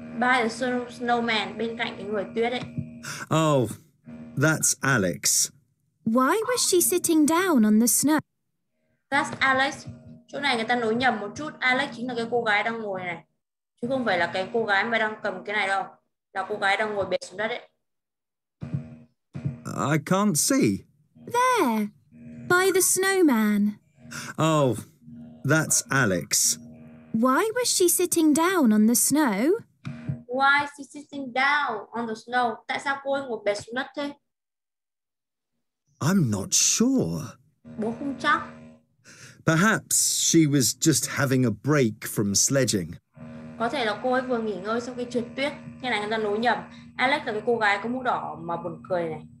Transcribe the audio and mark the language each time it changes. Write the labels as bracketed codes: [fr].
[en] By the snowman, [vi] bên cạnh cái người tuyết ấy. [en] Oh, that's Alex. Why was she sitting down on the snow? That's Alex. [vi] Chỗ này người ta nói nhầm một chút. Alex chính là cái cô gái đang ngồi này. Chứ không phải là cái cô gái mà đang cầm cái này đâu. Là cô gái đang ngồi bệt xuống đất ấy. [en] I can't see. There, by the snowman. Oh, that's Alex. Why was she sitting down on the snow? Why is she sitting down on the snow? [vi] Tại sao cô ấy ngồi bệt xuống đất thế? [en] I'm not sure. [vi] Bố không chắc. [en] Perhaps she was just having a break from sledging. [vi] Có thể là cô ấy vừa nghỉ ngơi sau khi trượt tuyết. Cái này người ta nói nhầm. Alex là cái cô gái có mũ đỏ mà buồn cười này.